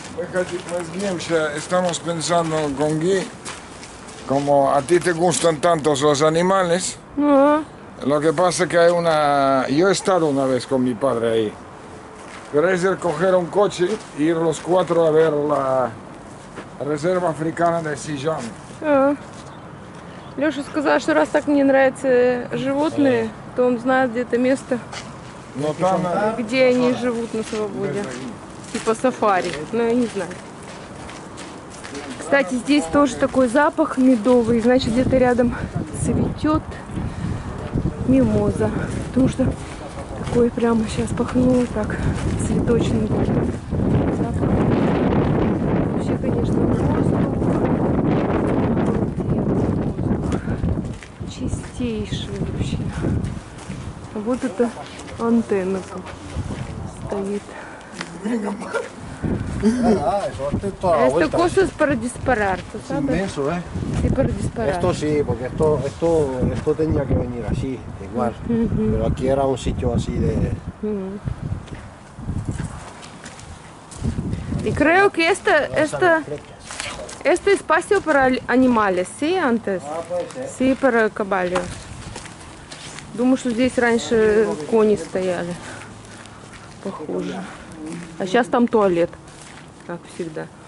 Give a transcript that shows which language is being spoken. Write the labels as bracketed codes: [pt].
[es] Más bien, estamos pensando con Guy, como a ti te gustan tanto los animales. Lo que pasa es que hay una... Yo he estado una vez con mi padre ahí. Querés coger un coche e ir los cuatro a ver la reserva africana de Сиджан. [ru] Леша сказал, что раз так мне нравятся животные, то он знает где-то место, но там, где они живут на свободе. Типа сафари, но я не знаю. Кстати, здесь тоже такой запах медовый, значит где-то рядом цветет мимоза. Потому что... Ой, прямо сейчас пахнуло так, цветочный запах. Вообще, конечно, воздух. Чистейший вообще. Вот это антенна тут стоит. Это [es] cosa para disparar, ¿sabes? Inmenso, ¿eh? Sí, para disparar. Esto sí, porque esto tenía que venir así, igual. Uh-huh. Pero aquí era un sitio así de... Uh-huh. Y creo que este espacio para animales, ¿sí? Antes. Sí, para caballos. [ru] Думаю, что здесь раньше кони стояли. Похоже. А сейчас там туалет. Как всегда.